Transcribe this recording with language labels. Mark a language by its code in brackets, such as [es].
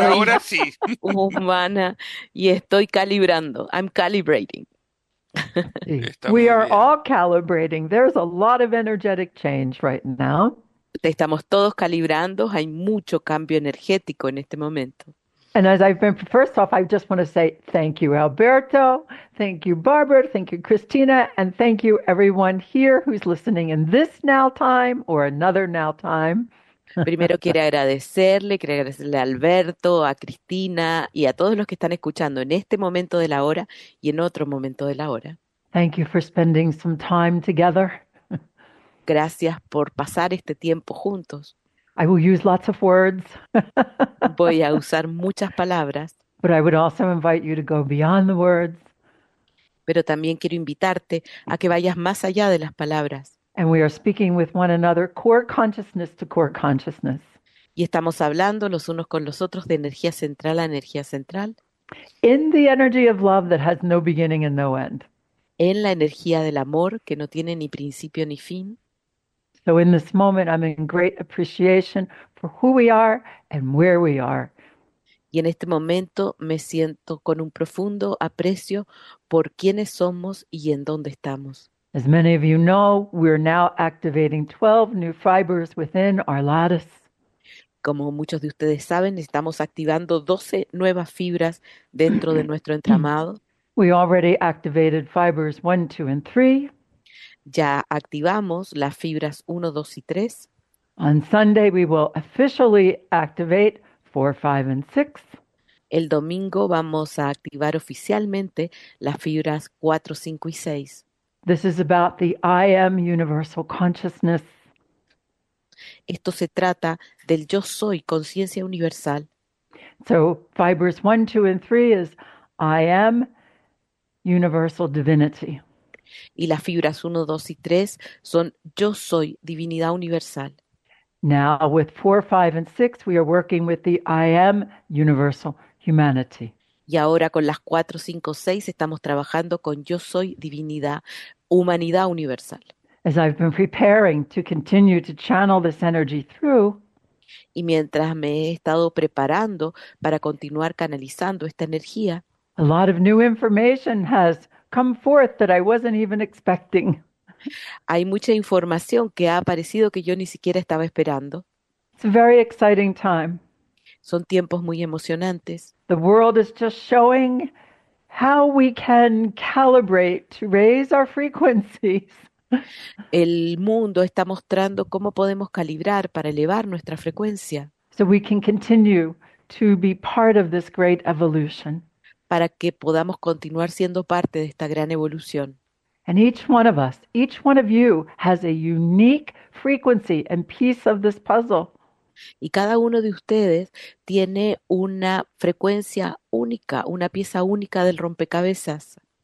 [es] ahora sí. humana y estoy calibrando. [en] I'm calibrating. [es] Está [en] We [es] muy [en] are [es] bien. [en] all calibrating. There's a lot of energetic change right now. [es] Estamos todos calibrando, hay mucho cambio energético en este momento. [en] And as I've been, first off, I just want to say thank you, Alberto. Thank you, Barbara. Thank you, Christina. And thank you, everyone here who's listening in this now time or another now time. [es] Primero quiero agradecerle a Alberto, a Cristina y a todos los que están escuchando en este momento de la hora y en otro momento de la hora. [en] Thank you for spending some time together. [es] Gracias por pasar este tiempo juntos. [en] I will use lots of words. [es] Voy a usar muchas palabras, [en] But I would also invite you to go beyond the words. [es] pero también quiero invitarte a que vayas más allá de las palabras. [en] And we are speaking with one another, core consciousness to core consciousness. [es] Y estamos hablando los unos con los otros de energía central a energía central. [en] In the energy of love that has no beginning and no end. [es] En la energía del amor que no tiene ni principio ni fin. [en] So in this moment, I'm in great appreciation for who we are and where we are. [es] Y en este momento me siento con un profundo aprecio por quiénes somos y en dónde estamos. [en] As many of you know, we're now activating 12 new fibers within our lattice. [es] Como muchos de ustedes saben, estamos activando 12 nuevas fibras dentro de nuestro entramado. [en] We already activated fibers 1, 2, and 3. [es] Ya activamos las fibras 1, 2 y 3. [en] On Sunday, we will officially activate 4, 5, and 6. [es] El domingo vamos a activar oficialmente las fibras 4, 5 y 6. [en] This is about the I am universal consciousness. [es] Esto se trata del yo soy, conciencia universal. [en] So, fibers 1, 2, and 3 is I am universal divinity. [es] Y las fibras 1, 2 y 3 son yo soy, divinidad universal. [en] Now, with 4, 5, and 6, we are working with the I am universal humanity. [es] Y ahora con las 4, 5, 6 estamos trabajando con yo soy, divinidad, humanidad universal. [en] As I've been preparing to continue to channel this energy through, [es] Y mientras me he estado preparando para continuar canalizando esta energía, [en] a lot of new information has come forth that I wasn't even expecting. [es] hay mucha información que ha aparecido que yo ni siquiera estaba esperando. [en] It's a very exciting time. [es] Son tiempos muy emocionantes. [en] The world is just showing how we can calibrate to raise our frequencies. [es] El mundo está mostrando cómo podemos calibrar para elevar nuestra frecuencia [en] So we can continue to be part of this great evolution. [es] para que podamos continuar siendo parte de esta gran evolución. [en] And each one of us, each one of you, has a unique frequency and piece of this puzzle. [es] Y cada uno de ustedes tiene una frecuencia única, una pieza única del rompecabezas.